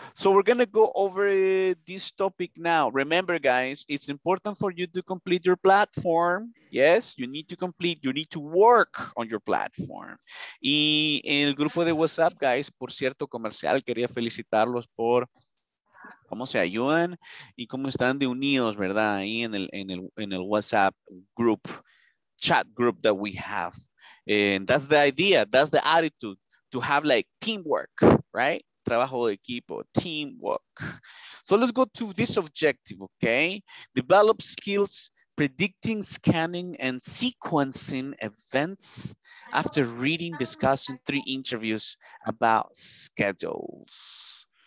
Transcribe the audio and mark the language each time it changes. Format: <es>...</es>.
<en>So we're going to go over this topic now. Remember, guys, it's important for you to complete your platform. Yes, you need to complete, you need to work on your platform.</en> <es>Y en el grupo de WhatsApp, guys, por cierto, comercial, quería felicitarlos por cómo se ayudan y cómo están de unidos, ¿verdad? Ahí en el</es> <en>WhatsApp group, chat group that we have. And that's the idea, that's the attitude, to have like teamwork, right?</en> <es>Trabajo de equipo,</es> <en>teamwork. So let's go to this objective, okay? Develop skills predicting, scanning, and sequencing events after reading, discussing 3 interviews about schedules.</en>